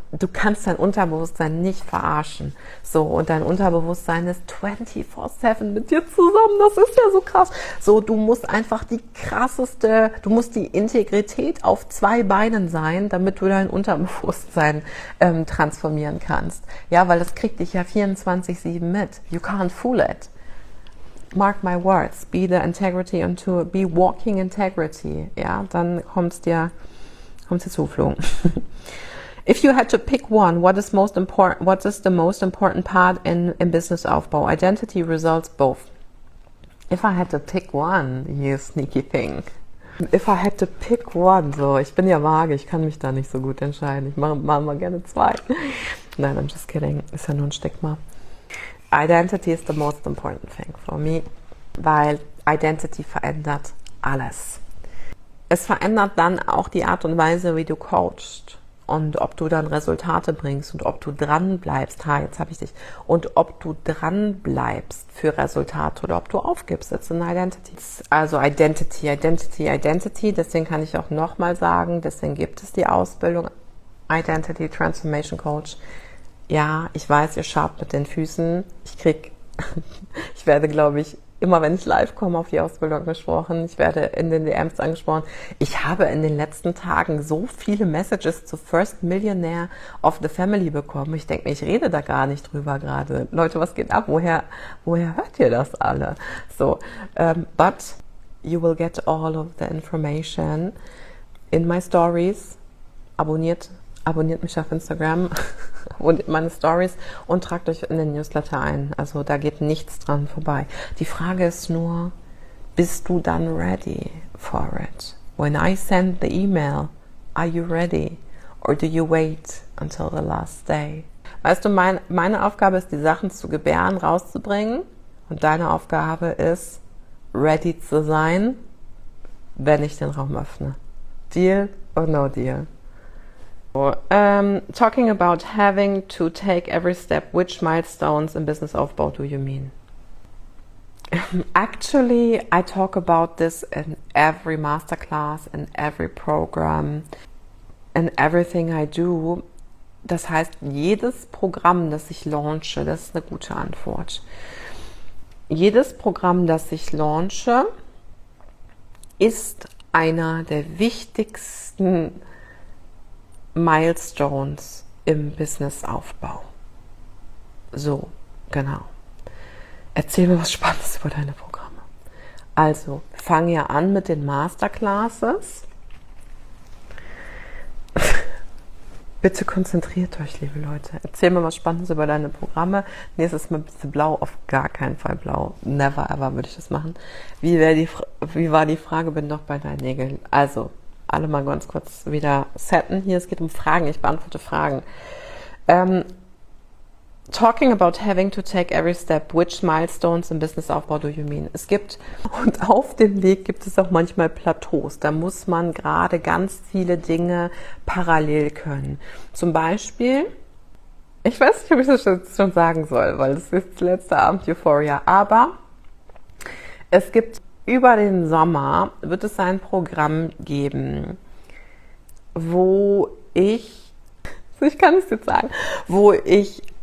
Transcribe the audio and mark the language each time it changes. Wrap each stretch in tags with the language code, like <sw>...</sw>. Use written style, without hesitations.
<de>Du kannst dein Unterbewusstsein nicht verarschen. So, und dein Unterbewusstsein ist 24/7 mit dir zusammen. Das ist ja so krass. So, du musst einfach die krasseste, du musst die Integrität auf zwei Beinen sein, damit du dein Unterbewusstsein transformieren kannst. Ja, weil das kriegt dich ja 24/7 mit.</de> <en>You can't fool it. Mark my words, be the integrity and to be walking integrity.</en> <de>Ja, dann kommt's dir zuflogen.</de> <en>If you had to pick one, what is the most important part in business Aufbau? Identity, results, both. If I had to pick one, you sneaky thing. If I had to pick one,</en> <de>so, ich bin ja vage, ich kann mich da nicht so gut entscheiden. Ich mach mal gerne zwei. Nein,</de> <en>I'm just kidding.</en> <de>Ist ja nur ein Stigma.</de> <en>Identity is the most important thing for me,</en> <de>weil Identity verändert alles. Es verändert dann auch die Art und Weise, wie du coachst. Und ob du dann Resultate bringst und ob du dran bleibst, und ob du dran bleibst für Resultate oder ob du aufgibst,</de> <en>it's an Identity.</en> <de>Also Identity, Identity, Identity, deswegen kann ich auch nochmal sagen, deswegen gibt es die Ausbildung Identity Transformation Coach. Ja, ich weiß, ihr schabt mit den Füßen, ich werde, glaube ich, immer wenn ich live komme, auf die Ausbildung gesprochen. Ich werde in den DMs angesprochen. Ich habe in den letzten Tagen so viele Messages zu First Millionaire of the Family bekommen. Ich denke mir, ich rede da gar nicht drüber gerade. Leute, was geht ab? Woher hört ihr das alle?</de> <en>So, but you will get all of the information in my stories.</en> <de>Abonniert mich auf Instagram und meine Stories und tragt euch in den Newsletter ein. Also da geht nichts dran vorbei. Die Frage ist nur, bist du dann</de> <en>ready for it? When I send the email, are you ready? Or do you wait until the last day?</en> <de>Weißt du, meine Aufgabe ist, die Sachen zu gebären, rauszubringen. Und deine Aufgabe ist, ready zu sein, wenn ich den Raum öffne.</de> <en>Deal or no deal? Talking about having to take every step, which milestones in business aufbau do you mean? Actually, I talk about this in every masterclass, in every program, in everything I do.</en> <de>Das heißt, jedes Programm, das ich launche, das ist eine gute Antwort. Jedes Programm, das ich launche, ist einer der wichtigsten Milestones im Businessaufbau. So, genau. Erzähl mir was Spannendes über deine Programme. Also, fang ja an mit den Masterclasses. Bitte konzentriert euch, liebe Leute. Erzähl mir was Spannendes über deine Programme. Nächstes Mal bitte blau, auf gar keinen Fall blau.</de> <en>Never ever</en> <de>würde ich das machen. Wie war die Frage, bin doch bei deinen Nägeln. Also, alle mal ganz kurz wieder setten. Hier, es geht um Fragen. Ich beantworte Fragen.</de> <en>Talking about having to take every step, which milestones in business aufbau do you mean?</en> <de>Es gibt, und auf dem Weg gibt es auch manchmal Plateaus. Da muss man gerade ganz viele Dinge parallel können. Zum Beispiel, ich weiß nicht, ob ich das schon sagen soll, weil es ist letzter Abend Euphoria, aber es gibt über den Sommer wird es ein Programm geben, wo ich kann es jetzt sagen, wo ich</de>